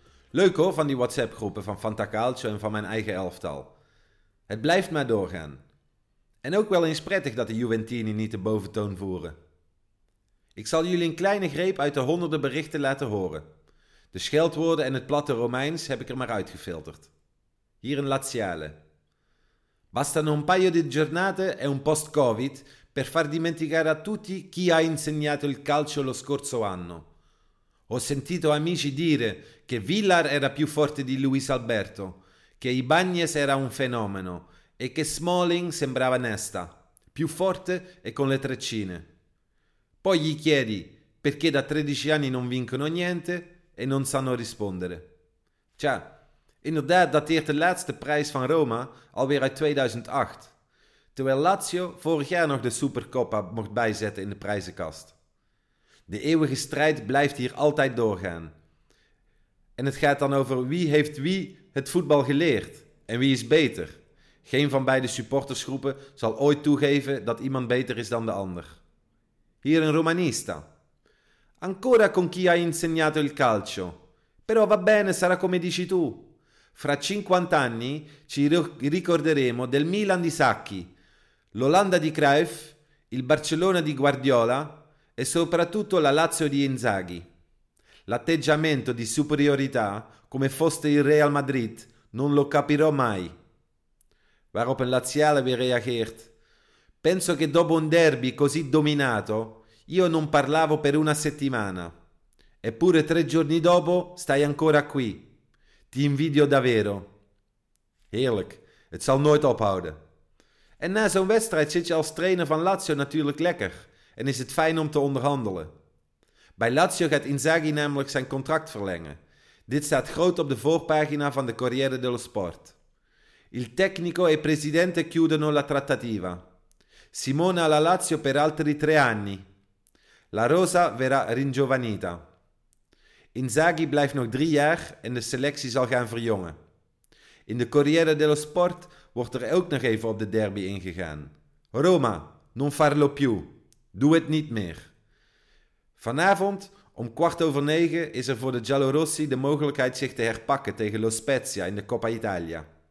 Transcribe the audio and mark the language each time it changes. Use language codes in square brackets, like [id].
[nl] Leuk hoor, van die WhatsApp-groepen van Fantacalcio en van mijn eigen elftal. Het blijft maar doorgaan. En ook wel eens prettig dat de Juventini niet de boventoon voeren. Ik zal jullie een kleine greep uit de honderden berichten laten horen. De scheldwoorden en het platte Romeins heb ik er maar uitgefilterd. Hier in Laziale. [it] Bastano un paio di giornate e un post-covid per far dimenticare a tutti chi ha insegnato il calcio lo scorso anno. Ho sentito amici dire che Villar era più forte di Luis Alberto, che Ibáñez era un fenomeno e che Smalling sembrava Nesta, più forte e con le treccine. Poi gli chiedi perché da 13 anni non vincono niente e non sanno rispondere. [nl] Tja, inderdaad dateert de laatste prijs van Roma alweer uit 2008. Terwijl Lazio vorig jaar nog de Supercoppa mocht bijzetten in de prijzenkast. De eeuwige strijd blijft hier altijd doorgaan. En het gaat dan over wie heeft wie het voetbal geleerd en wie is beter. Geen van beide supportersgroepen zal ooit toegeven dat iemand beter is dan de ander. Hier een Romanista. [it] Ancora con chi ha insegnato il calcio. Però va bene, sarà come dici tu. Fra 50 anni ci ricorderemo del Milan di Sacchi, l'Olanda di Cruyff, il Barcellona di Guardiola e soprattutto la Lazio di Inzaghi. L'atteggiamento di superiorità, come fosse il Real Madrid, non lo capirò mai. [nl] Waarop een laziale weer reageert. [it] Penso che dopo un derby così dominato, io non parlavo per una settimana. Eppure 3 giorni dopo stai ancora qui. Ti invidio davvero. [nl] Heerlijk, het zal nooit ophouden. En na zo'n wedstrijd zit je als trainer van Lazio natuurlijk lekker. en is het fijn om te onderhandelen. Bij Lazio gaat Inzaghi namelijk zijn contract verlengen. Dit staat groot op de voorpagina van de Corriere dello Sport. [it] Il tecnico e presidente chiudono la trattativa. Simone alla Lazio per altri 3 anni. La Rosa verrà ringiovanita. [nl] Inzaghi blijft nog 3 jaar en de selectie zal gaan verjongen. In de Corriere dello Sport wordt er ook nog even op de derby ingegaan. [it] Roma, non farlo più. [nl] Doe het niet meer. Vanavond, om 9:15, is er voor de Giallorossi de mogelijkheid zich te herpakken tegen Lo Spezia in de Coppa Italia.